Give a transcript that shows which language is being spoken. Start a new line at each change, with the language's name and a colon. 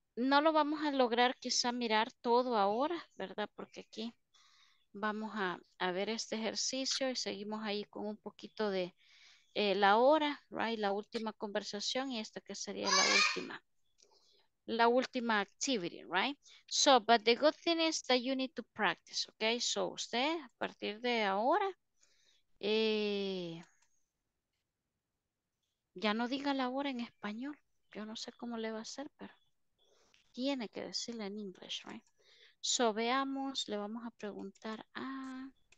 Spanish: No lo vamos a lograr quizá mirar todo ahora, ¿verdad? Porque aquí vamos a ver este ejercicio y seguimos ahí con un poquito de la hora, right? La última conversación y esta que sería la última. La última activity, right?
English: So, but the good thing is that you need to practice, okay?
Spanish: So, usted, a partir de ahora, ya no diga la hora en español. Yo no sé cómo le va a hacer, pero tiene que decirle en inglés, right? So, veamos, le vamos a preguntar a...